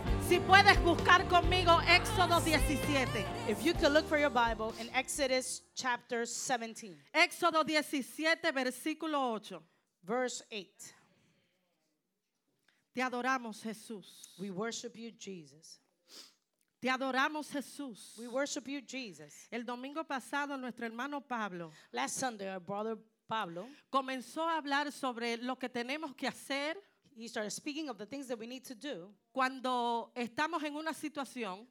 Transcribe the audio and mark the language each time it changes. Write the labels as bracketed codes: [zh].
[es] Si puedes buscar conmigo Éxodo 17. [en] If you can look for your Bible in Exodus chapter 17. [es] Éxodo 17, versículo 8. [en] Verse 8. [es] Te adoramos, Jesús. [en] We worship you, Jesus. [es] Te adoramos, Jesús. [en] We worship you, Jesus. [es] El domingo pasado, nuestro hermano Pablo. [en] Last Sunday, our brother Pablo. [es] Comenzó a hablar sobre lo que tenemos que hacer. [en] He started speaking of the things that we need to do. [es] Cuando estamos en una situación.